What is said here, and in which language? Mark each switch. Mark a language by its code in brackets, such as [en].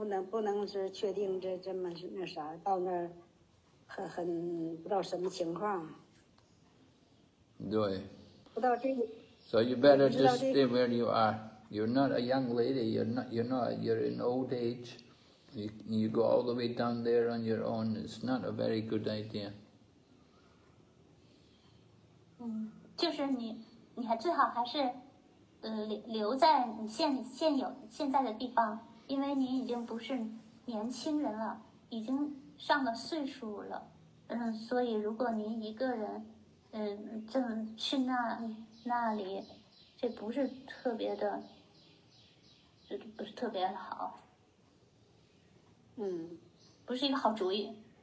[zh] 不能是确定这么那啥，到那儿很不知道什么情况。对。不到这里。 [en] So you better just stay where you are. You're not a young lady. You're in old age. You go all the way down there on your own. It's not a very good idea. [zh] 就是你还最好还是，留在你现在的地方。因为您已经不是年轻人了，已经上了岁数了，所以如果您一个人，这么去那里，这不是特别的，这不是特别的好，不是一个好主意。